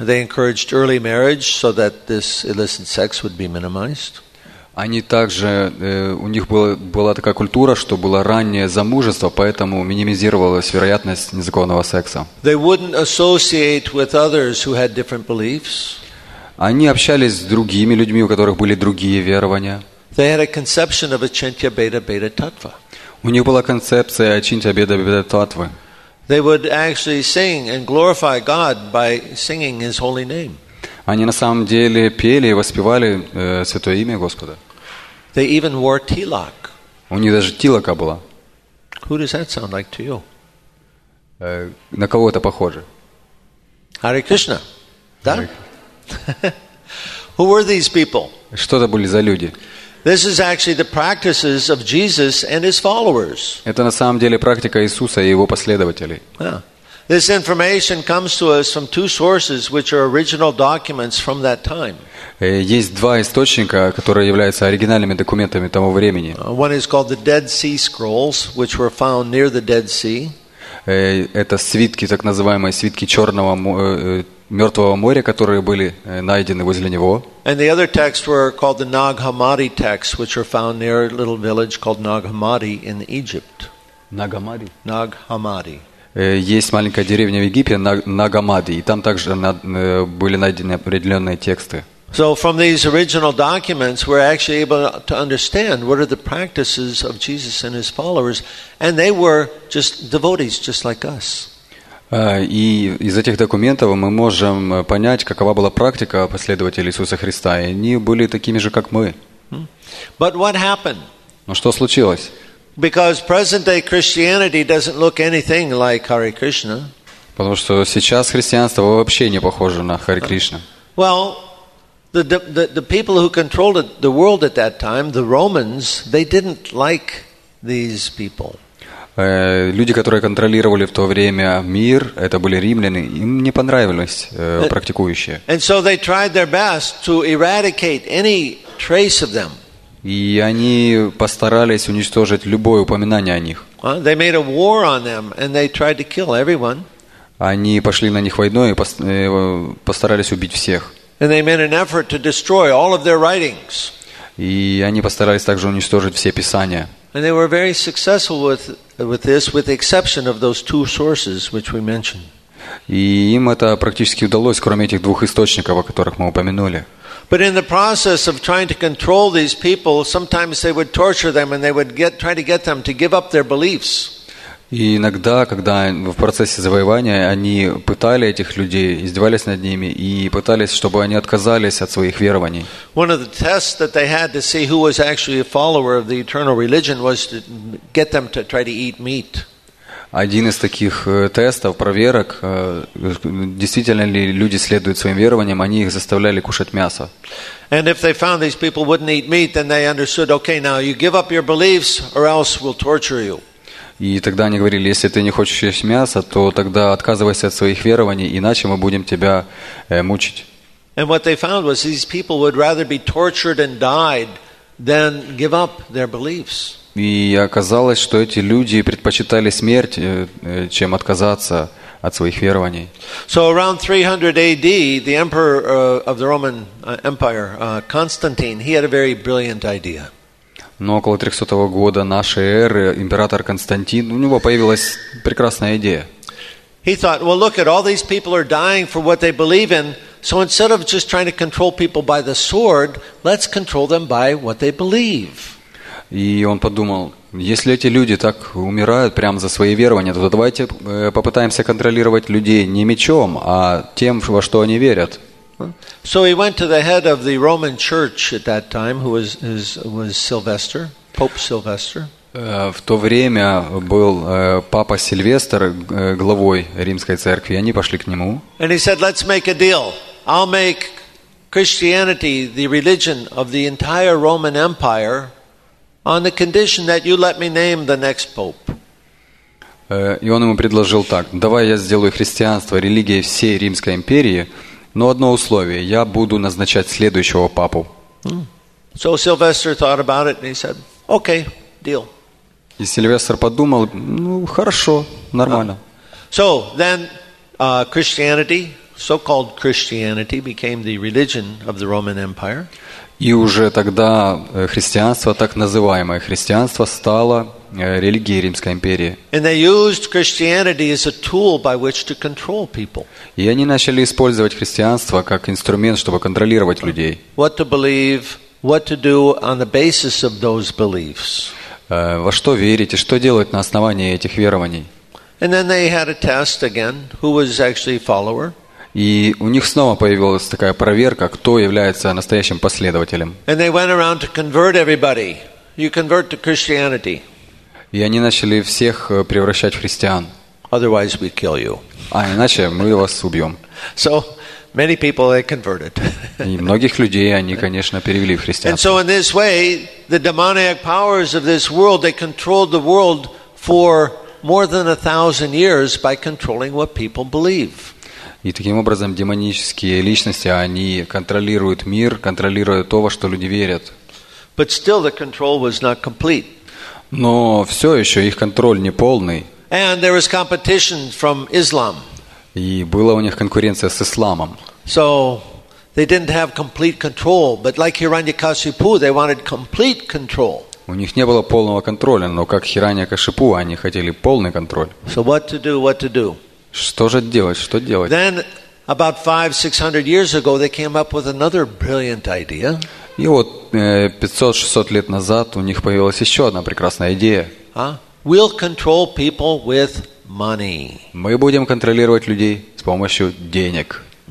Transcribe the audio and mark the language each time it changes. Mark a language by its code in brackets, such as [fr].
[en] They encouraged early marriage so that this illicit sex would be minimized. [ru] Они также у них была такая культура, что было раннее замужество, поэтому минимизировалась вероятность незаконного секса. [en] They wouldn't associate with others who had different beliefs. [ru] Они общались с другими людьми, у которых были другие верования. [en] They had a conception of Achintya Bheda Bheda Tattva. [ru] У них была концепция Ачинтья Бхеда Бхеда Таттвы. [en] They would actually sing and glorify God by singing His holy name. [ru] Они на самом деле пели и воспевали святое имя Господа. [en] They even wore tilak. [ru] У них даже тилака была. [en] Who does that sound like to you? [ru] На кого это похоже? [en] Hare Krishna. [ru] Да? [en] Who were these people? [ru] Что это были за люди? [en] This is actually the practices of Jesus and his followers. [ru] Это на самом деле практика Иисуса и его последователей. [en] This information comes to us from two sources, which are original documents from that time. [ru] Есть два источника, которые являются оригинальными документами того времени. [en] One is called the Dead Sea Scrolls, which were found near the Dead Sea. [ru] Это свитки, так называемые свитки Черного Мертвого моря, которые были найдены возле него. [en] And the other texts were called the Nag Hammadi texts, which were found near a little village called Nag Hammadi in Egypt. Nag Hammadi. Nag Hammadi. [ru] Есть маленькая деревня в Египте Наг Хаммади, и там также были найдены определенные тексты. [en] So from these original documents, we're actually able to understand what are the practices of Jesus and his followers, and they were just devotees, just like us. [ru] И из этих документов мы можем понять, какова была практика последователей Иисуса Христа. И они были такими же, как мы. [en] But what happened? [ru] Но что случилось? [en] Because present-day Christianity doesn't look anything like Hare Krishna. [ru] Потому что сейчас христианство вообще не похоже на Харе Кришна. [en] Well, the people who controlled the world at that time, the Romans, they didn't like these people. [ru] Люди, которые контролировали в то время мир, это были римляне, им не понравились практикующие. [en] And so they tried their best to eradicate any trace of them. [ru] И они постарались уничтожить любое упоминание о них. [en] They made a war on them and they tried to kill everyone. [ru] Они пошли на них войной и постарались убить всех. [en] And they made an effort to destroy all of their writings. [ru] И они постарались также уничтожить все писания. [en] And they were very successful with this, with the exception of those two sources which we mentioned. [ru] И им это практически удалось, кроме этих двух источников, о которых мы упомянули. [en] But in the process of trying to control these people, sometimes they would torture them and they would try to get them to give up their beliefs. [ru] И иногда, когда в процессе завоевания они пытали этих людей, издевались над ними и пытались, чтобы они отказались от своих верований. [en] One of the tests that they had to see who was actually a follower of the eternal religion was to get them to try to eat meat. [ru] Один из таких тестов, проверок, действительно ли люди следуют своим верованиям, они их заставляли кушать мясо. [en] And if they found these people wouldn't eat meat, then they understood, okay, now you give up your beliefs or else we'll torture you. [ru] И тогда они говорили, если ты не хочешь есть мясо, то тогда отказывайся от своих верований, иначе мы будем тебя мучить. [en] And what they found was these people would rather be tortured and died than give up their beliefs. [ru] И оказалось, что эти люди предпочитали смерть, чем отказаться от своих верований. [en] So around 300 AD, the emperor of the Roman Empire, Constantine, he had a very brilliant idea. [ru] Но около 300 года нашей эры император Константин, у него появилась прекрасная идея. [en] He thought, well, look at all these people are dying for what they believe in, so instead of just trying to control people by the sword, let's control them by what they believe. [ru] И он подумал, если эти люди так умирают прямо за свои верования, то давайте попытаемся контролировать людей не мечом, а тем, во что они верят. [en] So he went to the head of the Roman Church at that time, who was Sylvester, Pope Sylvester. [ru] В то время был папа Сильвестр главой Римской церкви. Они пошли к нему. [en] And he said, "Let's make a deal. I'll make Christianity the religion of the entire Roman Empire on the condition that you let me name the next pope." [ru] И он ему предложил так: "Давай я сделаю христианство религией всей Римской империи." Но одно условие, я буду назначать следующего папу. [en] So Sylvester thought about it and he said, "Okay, deal." [ru] И Сильвестр подумал, ну, хорошо, нормально. [en] So then Christianity, so-called Christianity, became the religion of the Roman Empire. [ru] И уже тогда христианство, так называемое христианство, стало религией Римской империи. [en] And they used Christianity as a tool by which to control people. [ru] И они начали использовать христианство как инструмент, чтобы контролировать людей. [en] What to believe, what to do on the basis of those beliefs. [ru] Во что верить и что делать на основании этих верований. [en] And then they had a test again, who was actually a follower. [ru] И у них снова появилась такая проверка, кто является настоящим последователем. [en] And they went around to convert everybody. You convert to Christianity. [ru] И они начали всех превращать в христиан. [en] Otherwise we kill you. [ru] А иначе мы вас убьем. [en] So many people they converted. [ru] И многих людей они, конечно, перевели в христианство. [en] And so in this way, the demonic powers of this world, they controlled the world for more than 1,000 years by controlling what people believe. [ru] И таким образом демонические личности, они контролируют мир, контролируют то, во что люди верят. [en] But still the control was not complete. [ru] Но все еще их контроль не полный. [en] And there was competition from Islam. [ru] И была у них конкуренция с исламом. [en] So they didn't have complete control, but like Hiranyakashipu, they wanted complete control. [ru] У них не было полного контроля, но как Хираньякашипу, они хотели полный контроль. [en] So what to do, what to do? [ru] Что же делать? Что делать? [en] Then, about 500-600 years ago, they came up with another brilliant idea. [ru] И вот 500-600 лет назад у них появилась еще одна прекрасная идея. [en] We'll control people with money. [ru] Мы будем контролировать людей с помощью денег.